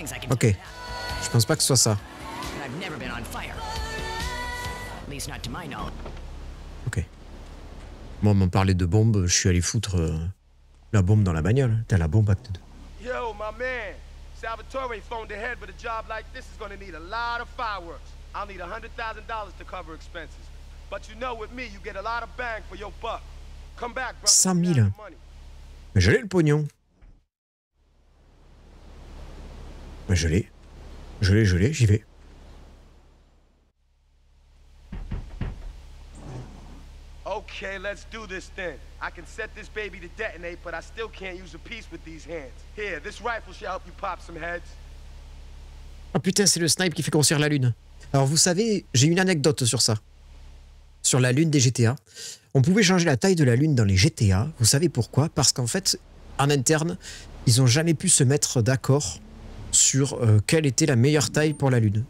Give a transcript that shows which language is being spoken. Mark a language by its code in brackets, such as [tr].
[fr] Ok, je pense pas que ce soit ça. Ok. Moi, on m'en parlait de bombe, je suis allé foutre la bombe dans la bagnole. T'as la bombe, acte 2. [en] Yo, my man, Salvatore phoned ahead, but a job like this is gonna need a lot of fireworks. I'll need $100,000 to cover expenses. But you know, with me, you get a lot of bang for your buck. Come back, bro. [fr] 100 000. Mais j'ai le pognon. Bah, je l'ai, j'y vais. [en] Okay, let's do this then. I can set this baby to detonate, but I still can't use a piece with these hands. Here, this rifle should help you pop some heads. [fr] Oh putain, c'est le snipe qui fait grossir la lune. Alors vous savez, j'ai une anecdote sur ça. Sur la lune des GTA. On pouvait changer la taille de la lune dans les GTA. Vous savez pourquoi? Parce qu'en fait, en interne, ils n'ont jamais pu se mettre d'accord sur quelle était la meilleure taille pour la lune.